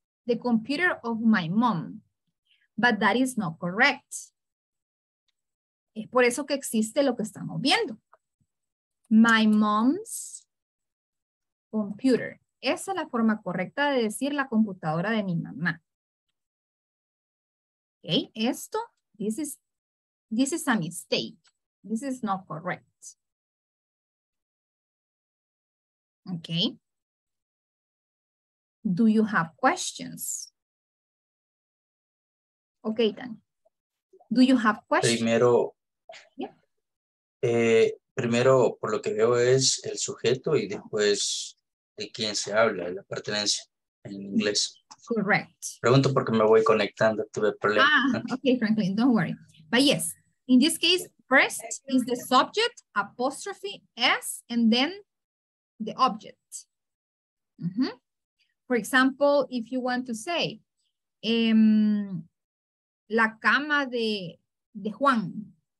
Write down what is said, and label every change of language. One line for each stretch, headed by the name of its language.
English: The computer of my mom. But that is not correct.
Spanish: Es por eso que existe lo que estamos viendo.
English: My mom's computer.
Spanish: Esa es la forma correcta de decir la computadora de mi mamá.
English: Okay,
Spanish: esto,
English: this is a mistake. This is not correct. Okay. Do you have questions? Okay, then. Do you have questions?
Spanish: Primero,
English: yeah.
Spanish: Primero, por lo que veo, es el sujeto y después de quién se habla, la pertenencia en inglés.
English: Correct.
Spanish: Pregunto porque me voy conectando, tuve problemas.
English: Ah, okay, Franklin, don't worry. But yes, in this case, first is the subject, apostrophe S, and then the object. Mm-hmm. For example, if you want to say,
Spanish: la cama de Juan.